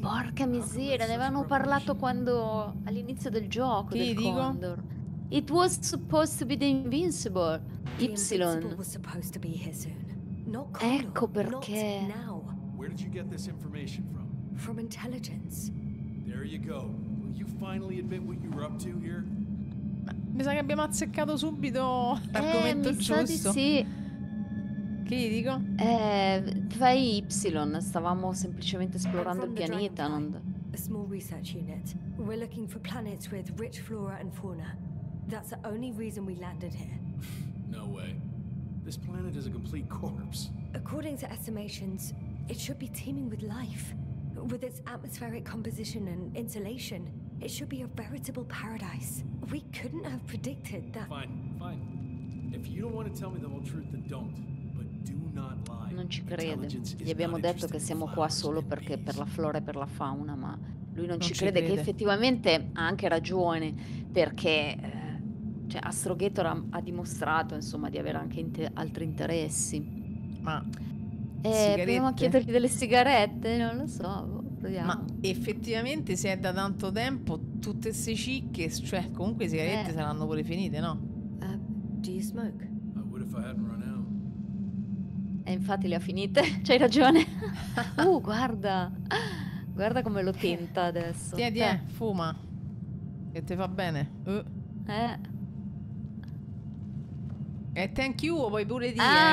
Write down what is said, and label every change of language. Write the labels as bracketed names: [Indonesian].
[Italian] Porca miseria, ne avevano parlato quando... all'inizio del gioco che del Condor. [English] It was supposed to be the Invincible. Ypsilon. The Invincible was supposed to be here soon. Not Condor, [Italian] ecco perché. [English] Not now. Where did you get this information from? From intelligence. There you go. Will you finally admit what you were up to here? [Italian] Mi sa che abbiamo azzeccato subito l'argomento giusto. Sa di sì. Che gli dico? Fai Ypsilon. Stavamo semplicemente esplorando il pianeta. Non... [English] A small research unit. We're looking for planets with rich flora and fauna. That's the only reason we landed here. No way. This planet is a complete corpse. According to estimations, it should be teeming with life. With its atmospheric composition and insulation, it should be a veritable paradise. We couldn't have predicted that. Fine, fine. If you don't want to tell me the whole truth, then don't. But do not lie. [Italian] Non ci crede. Gli abbiamo detto che siamo qua solo perché per la flora e per la fauna, ma lui non ci crede, che effettivamente ha anche ragione, perché cioè Astrogator ha dimostrato insomma di avere anche altri interessi. Ma proviamo a chiedergli delle sigarette, non lo so, proviamo. Ma effettivamente se è da tanto tempo tutte queste cicche, cioè comunque le sigarette saranno pure finite, no? [English] Do you smoke? I would if I hadn't run out. [Italian] E infatti le ha finite, c'hai ragione. guarda come lo tenta adesso. Tiè, fuma, che te fa bene. E [English] thank you, [Italian] o puoi pure dire,